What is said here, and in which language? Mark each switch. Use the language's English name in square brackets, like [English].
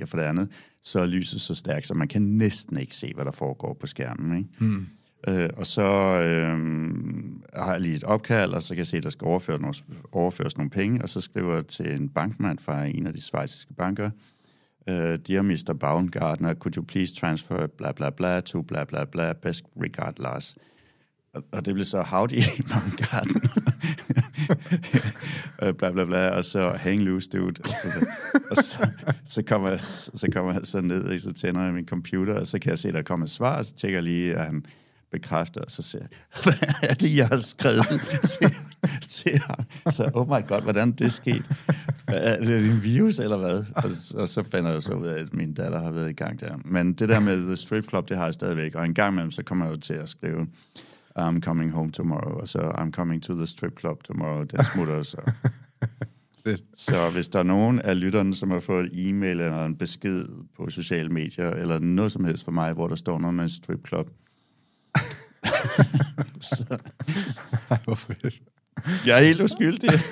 [Danish] Og for det andet, så er lyset så stærkt, så man kan næsten ikke se, hvad der foregår på skærmen. Ikke? Mm. Og så har jeg lige et opkald, og så kan jeg se, at der skal overføres nogle penge. Og så skriver jeg til en bankmand fra en af de schweiziske banker. [English] Dear Mr. Baumgartner, could you please transfer bla bla bla to bla bla bla, best regard Lars. [Danish] Og det blev så [English] Howdy [Danish] Baumgartner. bla bla bla, og så [English] Hang Loose Dude. [Danish] Og så kommer jeg så ned, og så tænder jeg min computer, og så kan jeg se, der kommer et svar, og så tænker jeg lige, at han bekræfter, og så siger jeg, hvad er det, jeg har skrevet? til ham. Så, [English] oh my god, [Danish] hvordan det skete. Er det en virus eller hvad? Og så finder jeg så ud af, at min datter har været i gang der. Men det der med The Strip Club, det har jeg stadigvæk. Og en gang imellem, så kommer jeg jo til at skrive, [English] I'm coming home tomorrow. [Danish] Og så, [English] I'm coming to The Strip Club tomorrow. [Danish] Den smutter så. Så hvis der er nogen af lytterne, som har fået en e-mail eller en besked på sociale medier, eller noget som helst for mig, hvor der står noget med en strip club. Hvor fedt. Jeg er helt uskyldig.